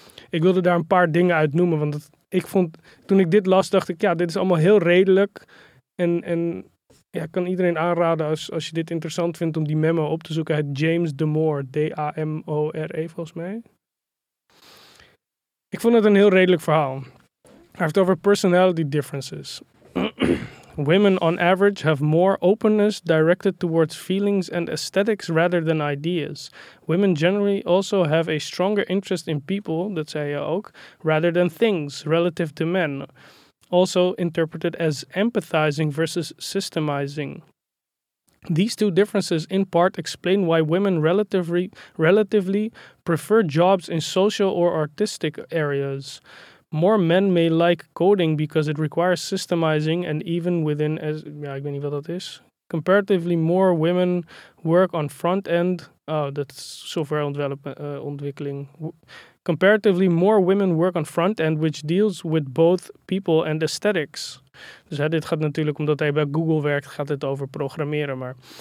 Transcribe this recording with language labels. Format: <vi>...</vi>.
<nl>Ik wilde daar een paar dingen uit noemen, want ik vond, toen ik dit las, dacht ik, ja, dit is allemaal heel redelijk. En ja, ik kan iedereen aanraden als je dit interessant vindt om die memo op te zoeken uit James Damore, Damore volgens mij. Ik vond het een heel redelijk verhaal. Hij heeft het over</nl> <en>personality differences. Women on average have more openness directed towards feelings and aesthetics rather than ideas. Women generally also have a stronger interest in people,</en> <nl>dat zei je ook,</nl> <en>rather than things relative to men. Also interpreted as empathizing versus systemizing. These two differences in part explain why women relatively prefer jobs in social or artistic areas. More men may like coding because it requires systemizing and even within, as</en> <nl>ja, ik weet niet wat dat is.</nl> <en>Comparatively more women work on front-end, oh, that's software ontwikkeling. Comparatively more women work on front-end, which deals with both people and aesthetics.</en> <nl>Dus hè, dit gaat natuurlijk, omdat hij bij Google werkt, gaat het over programmeren, maar...</nl>